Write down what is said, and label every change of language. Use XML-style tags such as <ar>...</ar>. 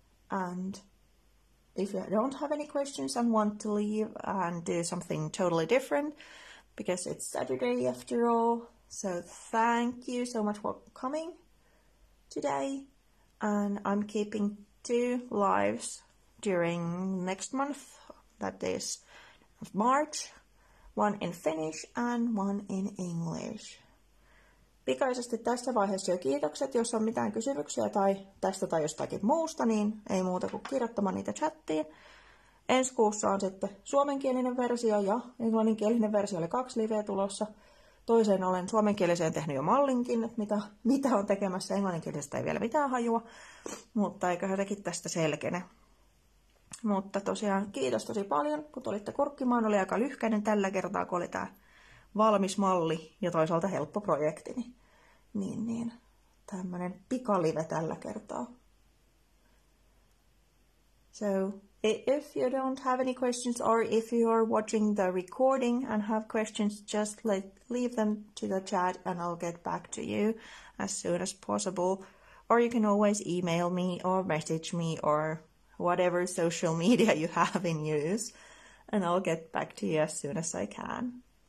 <en>And if you don't have any questions and want to leave and do something totally different, because it's Saturday after all, so thank you so much for coming today. And I'm keeping two lives during next month, that is March. One in Finnish and one in English.</en> <fi>Pikaisesti tässä vaiheessa jo kiitokset, jos on mitään kysymyksiä tai tästä tai jostakin muusta, niin ei muuta kuin kirjoittamaan niitä chattiin. Ensi kuussa on sitten suomenkielinen versio ja englanninkielinen versio, oli kaksi liveä tulossa. Toiseen olen suomenkieliseen tehnyt jo mallinkin, että mitä on tekemässä. Englanninkielisestä ei vielä mitään hajua, mutta eiköhän sekin tästä selkene. Mutta tosiaan kiitos tosi paljon, kun tulitte kurkkimaan. Oli aika lyhkäinen tällä kertaa, kun oli tämä valmis malli ja toisaalta helppo projekti. Niin. Tämmöinen pikalive tällä kertaa.</fi> <en>So, if you don't have any questions or if you are watching the recording and have questions, just leave them to the chat and I'll get back to you as soon as possible. Or you can always email me or message me or whatever social media you have in use and I'll get back to you as soon as I can.</en>